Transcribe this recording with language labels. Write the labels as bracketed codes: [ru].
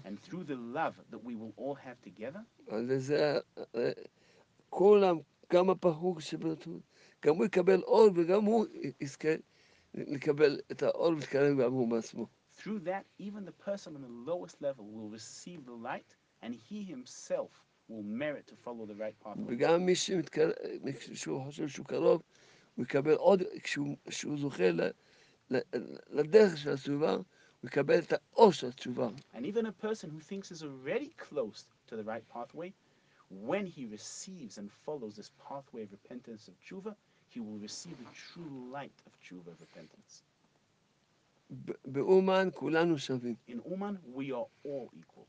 [en] And through the love that we will all have together. [he] ועל ידי זה, כולם, גם הפחוק שבטוח, גם הוא יקבל אור וגם הוא יזכה לקבל את האור ולהתקרב גם הוא בעצמו. [en] Through that, even the person on the lowest level will receive the light and he himself will merit to follow the right path. [he] וגם מי שמתקרב, כשהוא חושב שהוא קרוב, הוא יקבל עוד, כשהוא זוכה לדרך של התשובה, הוא יקבל את האור של התשובה. [en] And even a person who thinks is already close to the right pathway, when he receives and follows this pathway of repentance of tshuva, he will receive the true light of tshuva of repentance. [he] באומן כולנו שווים. [en] In Uman, we are all equal.